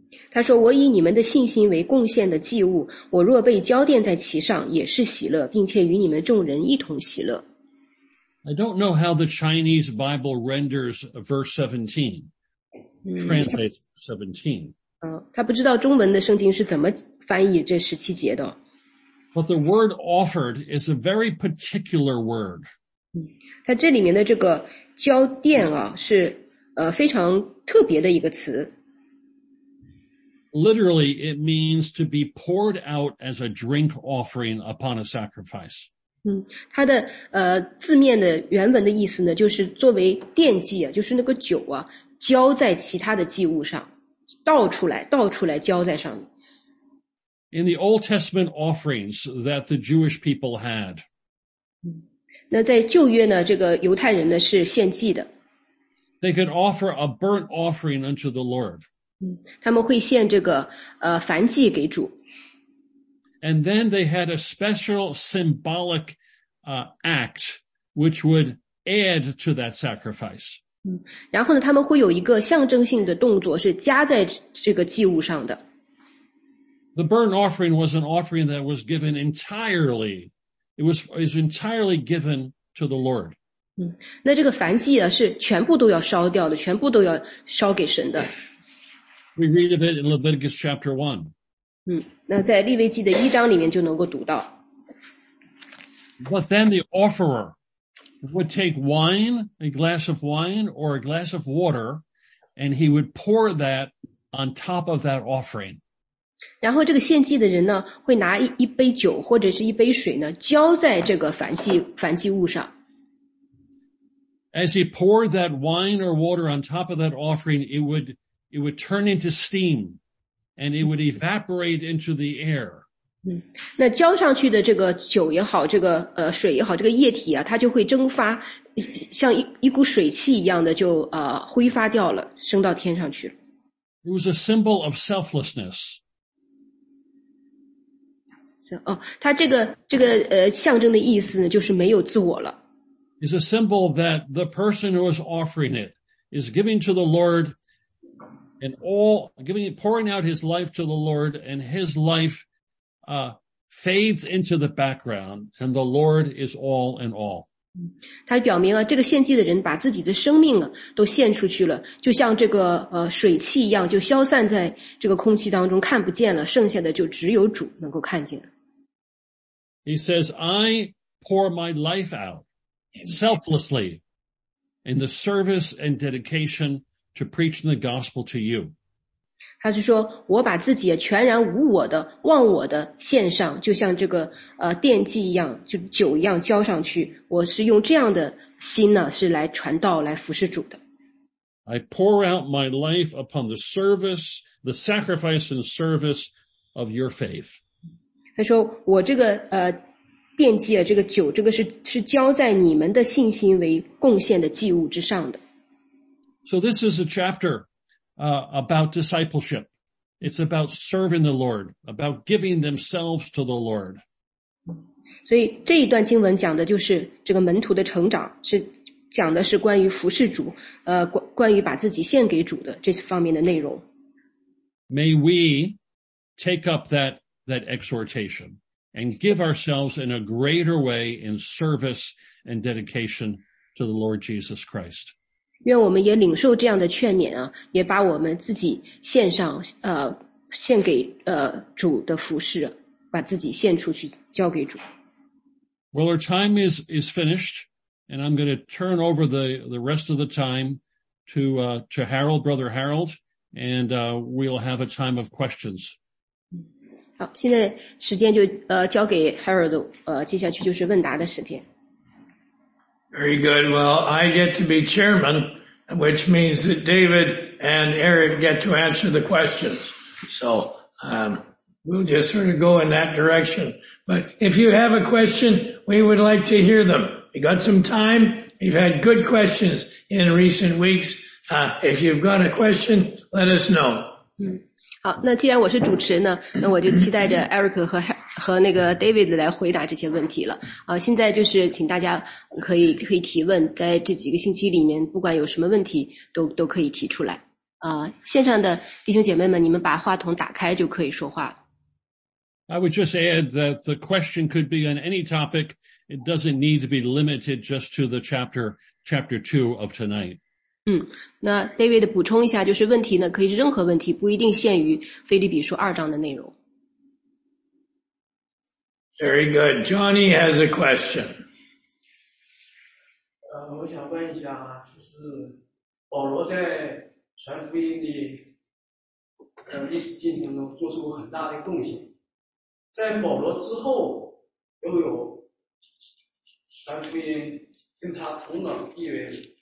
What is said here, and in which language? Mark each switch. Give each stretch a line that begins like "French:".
Chinese: 他说我以你们的信心为贡献的祭物我若被交奠在其上也是喜乐并且与你们众人一同喜乐。
English: I don't know how the Chinese Bible renders verse 17, translates 17.
Chinese: 他不知道中文的圣经是怎么翻译这十七节的。
English: But the word offered is a very particular word.
Chinese: 他这里面的这个交奠啊是非常特别的一个词。
English: Literally, it means to be poured out as a drink offering upon a sacrifice.
Chinese: 它的字面的原文的意思呢，就是作为奠祭啊，就是那个酒啊，浇在其他的祭物上，倒出来浇在上面。
English: In the Old Testament offerings that the Jewish people had.
Chinese: 那在旧约呢，这个犹太人呢是献祭的。
English: They could offer a burnt offering unto the Lord.
Chinese: 他们会献这个燔祭给主。
English: And then they had a special symbolic act which would add to that sacrifice.
Chinese: 然后呢他们会有一个象征性的动作是加在这个祭物上的。
English: The burnt offering was an offering that was given entirely. It was entirely given to the Lord.
Chinese: 那这个燔祭啊是全部都要烧掉的全部都要烧给神的。
English: We read of it in Leviticus chapter 1.
Chinese: 那在利未记的一章里面就能够读到。
English: But then the offerer would take wine, a glass of wine or a glass of water, and he would pour that on top of that offering.
Chinese: 然后这个献祭的人呢会拿一杯酒或者是一杯水呢浇在这个燔祭物上。
English: As he poured that wine or water on top of that offering, it would turn into steam and it would evaporate into the air.
Chinese: 那浇上去的这个酒也好这个水也好这个液体啊它就会蒸发像一股水汽一样的就挥发掉了升到天上去了。
English: It was a symbol of selflessness.
Chinese: 它这个象征的意思呢就是没有自我了。
English: Is a symbol that the person who is offering it is giving to the Lord and all, giving it, pouring out his life to the Lord and his life, fades into the background and the Lord is all in all.
Chinese: 他表明了这个献祭的人把自己的生命啊都献出去了，就像这个水汽一样，就消散在这个空气当中，看不见了，剩下的就只有主能够看见。
English: He says, I pour my life out selflessly in the service and dedication to preaching the gospel to you.
Chinese: 他是说，我把自己全然无我的、忘我的献上，就像这个奠祭一样，就酒一样浇上去。我是用这样的心呢，是来传道、来服侍主的。
English: I pour out my life upon the service, the sacrifice and service of your faith.
Chinese: 他说，我这个奠祭啊，这个酒，这个是浇在你们的信心为贡献的祭物之上的。
English: So this is a chapter about discipleship. It's about serving the Lord, about giving themselves to the Lord.
Chinese: 所以这一段经文讲的就是这个门徒的成长，是讲的是关于服侍主，关于把自己献给主的这方面的内容。
English: May we take up that exhortation and give ourselves in a greater way in service and dedication to the Lord Jesus Christ.
Chinese: 愿我们也领受这样的劝勉啊，也把我们自己献上，献给主的服侍，把自己献出去，交给主。
English: Well, our time is finished, and I'm going to turn over the rest of the time to Harold, Brother Harold, and we'll have a time of questions.
Chinese: 好，现在时间就交给 Harold， 接下去就是问答的时间。
English: Very good. Well, I get to be chairman, which means that David and Eric get to answer the questions. So, we'll just sort of go in that direction. But if you have a question, we would like to hear them. You got some time? You've had good questions in recent weeks. If you've got a question, let us know.
Chinese: 好，那既然我是主持呢，那我就期待着 Eric 和那个 David 来回答这些问题了。现在就是请大家可以提问，在这几个星期里面，不管有什么问题都可以提出来。线上的弟兄姐妹们，你们把话筒打开就可以说话了。
English: I would just add that the question could be on any topic. It doesn't need to be limited just to the chapter 2 of tonight.
Chinese: 那 David 补充一下，就是问题呢，可以是任何问题，不一定限于《腓立比书》二章的内容。
English: Very good. Johnny has a question.
Chinese: 我想问一下，就是保罗在传福音的历史进程中做出过很大的贡献，在保罗之后又有传福音跟他同等地位。